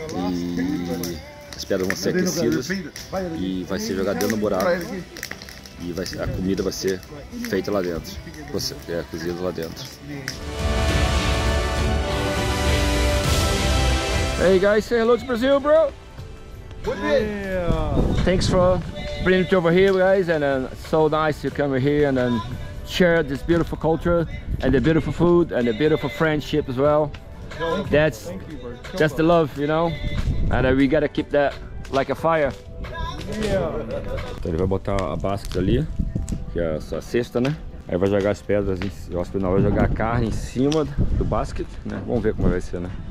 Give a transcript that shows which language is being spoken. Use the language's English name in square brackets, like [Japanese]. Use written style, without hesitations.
[Portuguese] E as pedras vão ser aquecidas e vai ser jogada dentro do buraco. E vai, a comida vai ser feita lá dentro, é cozida lá dentro. [English] Hey guys, say hello to Brazil, bro! Yeah. Thanks for bringing it over here, guys, and so nice to come here and share this beautiful culture and the beautiful food and the beautiful friendship as well. Thank you, that's the love, you know, and we gotta keep that like a fire. Yeah. [Portuguese] Ele vai botar a basket ali, que é a sua cesta, né? Aí vai jogar as pedras, eu acho que não vai jogar a carne em cima do basket, né? Vamos ver como vai ser, né?